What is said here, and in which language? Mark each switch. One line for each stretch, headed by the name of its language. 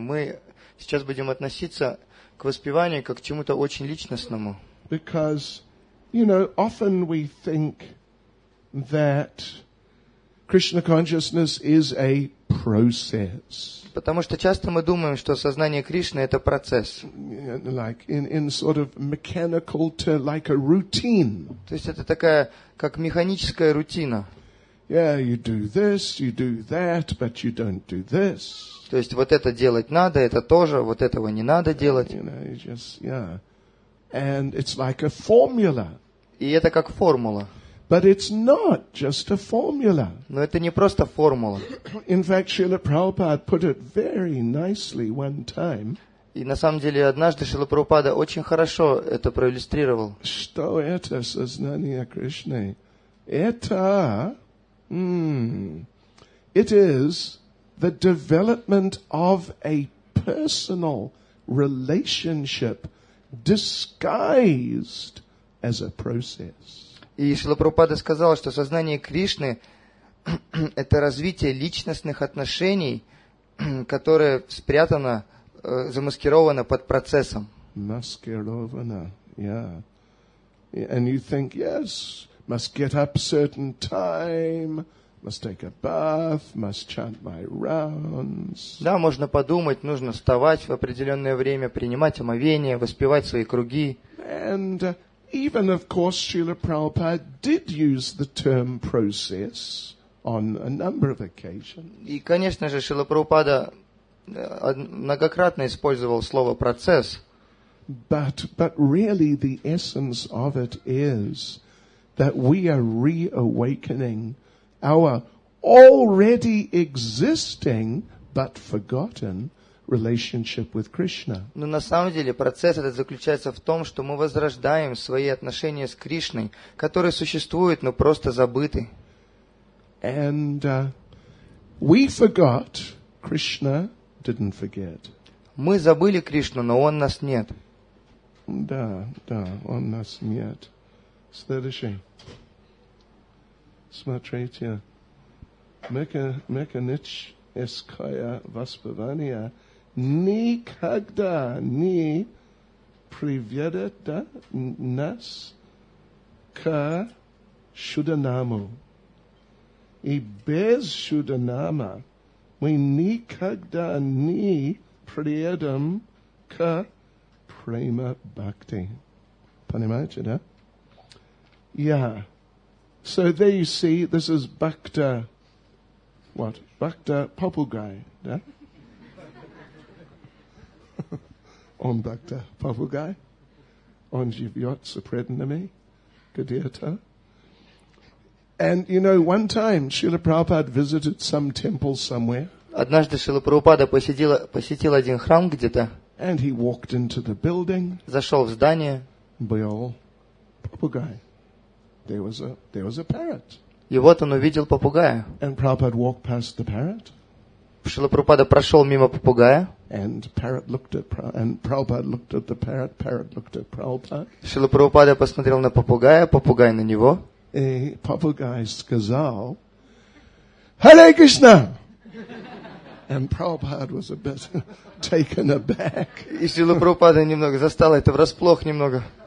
Russian: Мы сейчас будем относиться к воспеванию как к чему-то очень личностному.
English: Because, you know, often we think that Krishna consciousness is a process.
Russian: Потому что часто мы думаем, что сознание Кришны это процесс.
English: Like in sort of mechanical to like a routine.
Russian: То есть это такая как механическая рутина.
English: Yeah, you do this, you do that, but you don't do this.
Russian: То есть вот это делать надо, это тоже, вот этого не надо делать.
English: You know, you just, yeah. And it's like a formula.
Russian: И это как формула.
English: But it's not just a formula.
Russian: Но это не просто формула.
English: In fact, Srila Prabhupada put it very nicely one time.
Russian: И на самом деле однажды Шрила Прабхупада очень хорошо это проиллюстрировал. Что это сознание Кришны? Это,
English: it is the development of a personal relationship disguised as a process.
Russian: И Шрила Прабхупада сказал, что сознание Кришны это развитие личностных отношений, которое спрятано, замаскировано под процессом. Маскировано, yeah.
English: And you think, yes, must get up certain time, must take a bath, must chant my rounds.
Russian: Да, можно подумать, нужно вставать в определенное время, принимать омовение, воспевать свои круги.
English: And even, of course, Srila Prabhupada did use the term process on a number of occasions.
Russian: И, конечно же, Шрила Прабхупада многократно использовал слово процесс.
English: But really the essence of it is that we are reawakening our already existing but forgotten relationship with Krishna.
Russian: Но на самом деле процесс этот заключается в том, что мы возрождаем свои отношения с Кришной, которые существуют, но просто забыты.
English: And we forgot Krishna. Didn't forget.
Russian: Мы забыли Кришну, но он нас нет. Да, да, он нас нет. Следующий. Смотрите. Механическое воспевание никогда не приведет нас к Шуданаму. И без Шуданама мы никогда не приедем к према бхакти. Понимаете, да? Yeah.
English: So there you see, this is Bhakta, what?
Russian: Bhakta Popugai, да? Он Bhakta Popugai. Он живет с преданными. Где-то.
English: And, you know, one time, Srila Prabhupada visited some temple somewhere.
Russian: Однажды Шрила Прабхупада посетил один храм где-то.
English: And he walked into the building.
Russian: Зашел в здание. Был попугай.
English: There was a parrot.
Russian: И вот он увидел попугая.
English: And Prabhupada walked past the parrot.
Russian: Шрила Прабхупада прошел мимо попугая.
English: And parrot looked at and Prabhupada looked at the parrot. Parrot looked at Prabhupada.
Russian: Шрила Прабхупада посмотрел на попугая, попугай на него. И попугай сказал: Харе Кришна!
English: And Prabhupada was a bit taken aback.
Russian: И Шрила Прабхупада немного застала это врасплох немного.